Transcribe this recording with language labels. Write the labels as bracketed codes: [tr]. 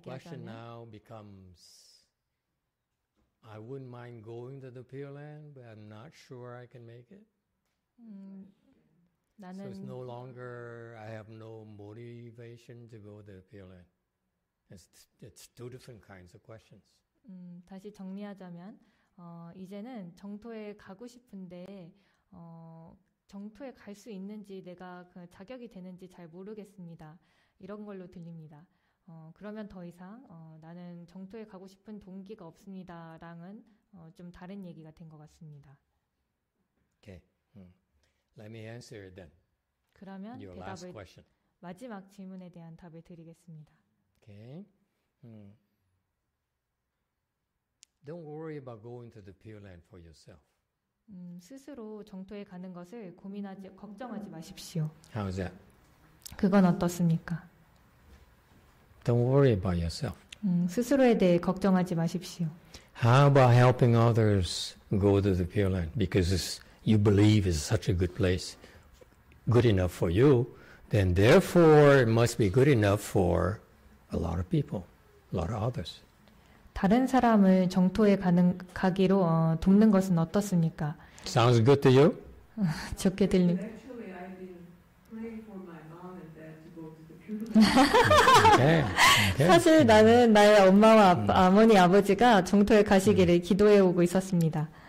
[en] The question now becomes I wouldn't mind going to the Pure Land, but I'm not sure I can make it. [ko] 나는 [en] So it's no longer I have no motivation to go to the Pure Land. It's two different kinds of questions. [ko] 다시 정리하자면 이제는 정토에 가고 싶은데 정토에 갈 수 있는지 내가 그 자격이 되는지 잘 모르겠습니다. 이런 걸로 들립니다. 그러면 더 이상 나는 정토에 가고 싶은 동기가 없습니다랑은 좀 다른 얘기가 된 것 같습니다. [en] Okay. Let me answer it then. [ko] 그러면 [en] Your [ko] 대답을 [en] last question. [ko] 마지막 질문에 대한 답을 드리겠습니다. [en] Okay. Don't worry about going to the Pure Land for yourself. [ko] 스스로 정토에 가는 것을 고민하지 걱정하지 마십시오. [en] How is that? [ko] 그건 어떻습니까? [en] Don't worry about yourself. [ko] 스스로에 대해 걱정하지 마십시오. [en] How about helping others go to the Pure Land because you believe it's such a good place, good enough for you, then therefore it must be good enough for a lot of people, a lot of others. [ko] 다른 사람을 정토에 가기로 돕는 것은 어떻습니까? [en] Sounds good to you? [ko] 좋게 들립. [en] Actually, I've been praying for my mom and dad to go to the Pure Land. Okay. Okay. [ko] 사실 나는 나의 엄마와 어머니, 아버지가 정토에 가시기를 기도해 오고 있었습니다.